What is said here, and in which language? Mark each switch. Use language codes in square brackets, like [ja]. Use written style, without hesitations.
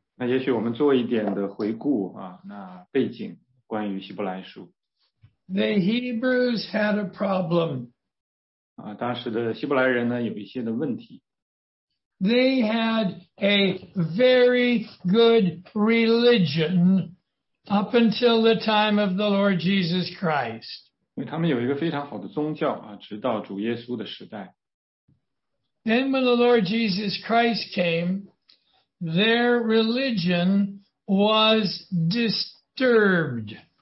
[zh] 那也许我们做一点的回顾，那背景关于希伯来书。 [en] The Hebrews had a problem. [zh] 当时的希伯来人呢，有一些的问题。 [en] They had a very good religion up until the time of the Lord Jesus Christ. [zh] 因为他们有一个非常好的宗教，直到主耶稣的时代。 [en] Then when the Lord Jesus Christ came, their religion was disturbed.